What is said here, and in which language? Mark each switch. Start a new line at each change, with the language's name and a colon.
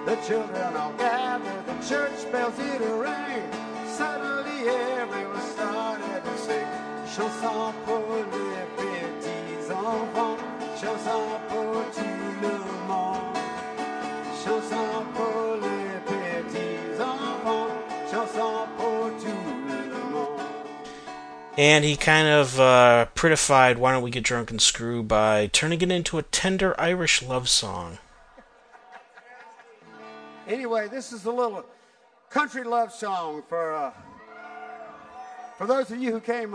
English: bells did ring. Suddenly everyone started to sing.
French: Chanson pour les petits enfants. Chanson pour tout le monde. Chanson pour les petits enfants. Chanson pour tout le monde.
English: And he kind of prettified Why Don't We Get Drunk and Screw by turning it into a tender Irish love song. Anyway, this is a little country love song for those of you who came.